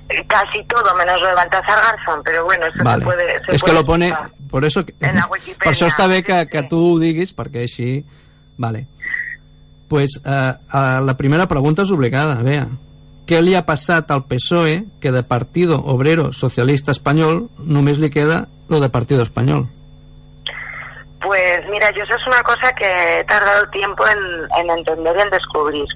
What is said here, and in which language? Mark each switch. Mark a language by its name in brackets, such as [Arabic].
[Spanish] Casi todo, menos lo de Baltasar Garzón, pero bueno, eso vale. se puede... Lo pone, por eso, en la Wikipedia. [Catalan] Per això està bé que tu ho diguis, perquè així... Vale. [Spanish] Pues la primera pregunta es obligada, [Catalan] Bea. ¿Qué li ha passat al PSOE que de Partido Obrero Socialista Español només li queda lo de Partido Español? [Spanish] Pues mira, yo eso es una cosa que he tardado tiempo en entender y en descubrir.